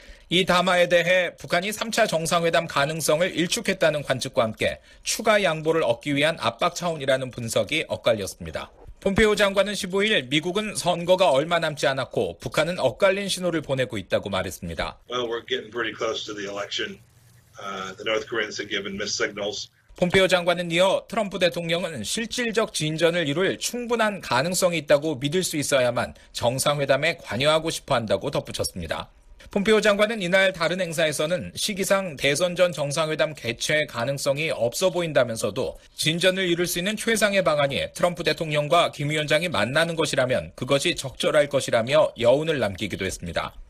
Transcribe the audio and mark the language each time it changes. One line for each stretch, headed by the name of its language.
Korean: 이 담화에 대해 북한이 3차 정상회담 가능성을 일축했다는 관측과 함께 추가 양보를 얻기 위한 압박 차원이라는 분석이 엇갈렸습니다. 폼페이오 장관은 15일 미국은 선거가 얼마 남지 않았고 북한은 엇갈린 신호를 보내고 있다고 말했습니다.
English: Well, we're getting pretty close to the election. The North Koreans have given mixed signals.
Korean: 폼페이오 장관은 이어 트럼프 대통령은 실질적 진전을 이룰 충분한 가능성이 있다고 믿을 수 있어야만 정상회담에 관여하고 싶어 한다고 덧붙였습니다. 폼페이오 장관은 이날 다른 행사에서는 시기상 대선 전 정상회담 개최 가능성이 없어 보인다면서도 진전을 이룰 수 있는 최상의 방안이 트럼프 대통령과 김 위원장이 만나는 것이라면 그것이 적절할 것이라며 여운을 남기기도 했습니다.